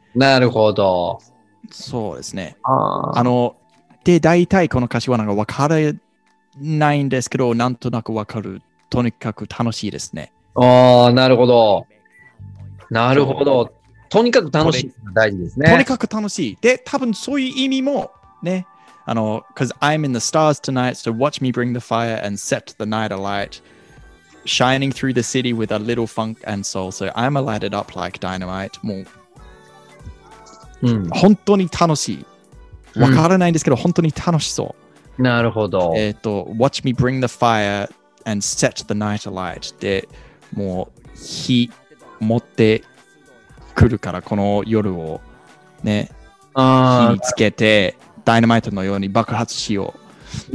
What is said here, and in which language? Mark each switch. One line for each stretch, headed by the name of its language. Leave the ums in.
Japanese: なるほど。そうですね。ああの、で、大体この歌詞はなんか分からないんですけど、なんとなく分かる。とにかく楽しいですね。ああ、なるほど。なるほど。とにかく楽しい。大事ですね。とにかく楽しい。で、多分そういう意味もね。
English: あの、Cause I'm in the stars tonight, so watch me bring the fire and set the night alight. Shining through the city with a little funk and soul, so I'm a lighted up like dynamite.
Japanese: もう、うん、本当に楽しい。わからないんですけど、うん、本当に楽しそう。なるほど。えっ、ー、と、
English: Watch me bring the fire and set the night alight
Japanese: って、もう火持ってくるから、この夜をね、あ火につけて、ダイナマイトのように爆発しよう。